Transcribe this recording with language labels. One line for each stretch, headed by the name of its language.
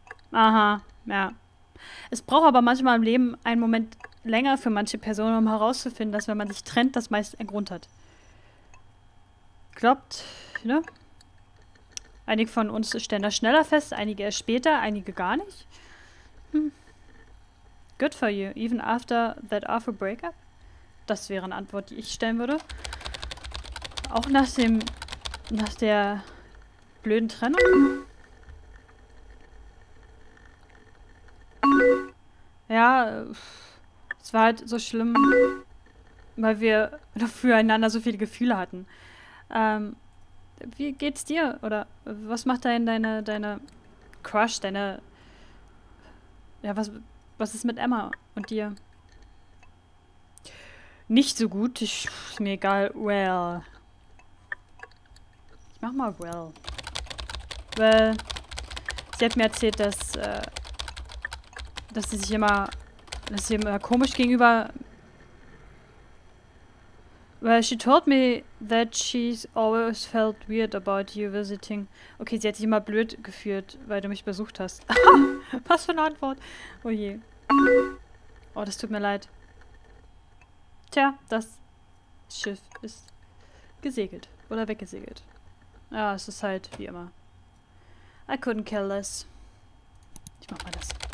German: Aha, ja. Es braucht aber manchmal im Leben einen Moment länger für manche Personen, um herauszufinden, dass wenn man sich trennt, das meist einen Grund hat. Glaubt, ne? Einige von uns stellen das schneller fest, einige erst später, einige gar nicht.
English: Good for you, even after that awful breakup?
German: Das wäre eine Antwort, die ich stellen würde. Auch nach der blöden Trennung? Ja, es war halt so schlimm, weil wir füreinander so viele Gefühle hatten. Wie geht's dir? Oder was macht denn deine Crush, deine... Ja, was ist mit Emma und dir? Nicht so gut. Ist mir egal. Well. Ich mach mal well. Well. Sie hat mir erzählt, dass sie sich immer... Dass sie immer komisch gegenüber.
English: Well, she told me that she's always felt weird about you visiting.
German: Okay, sie hat sich immer blöd gefühlt, weil du mich besucht hast. Was für eine Antwort. Oh je. Oh, das tut mir leid. Tja, das Schiff ist gesegelt oder weggesegelt. Ja, es ist halt wie immer.
English: I couldn't care less.
German: Ich mach mal das.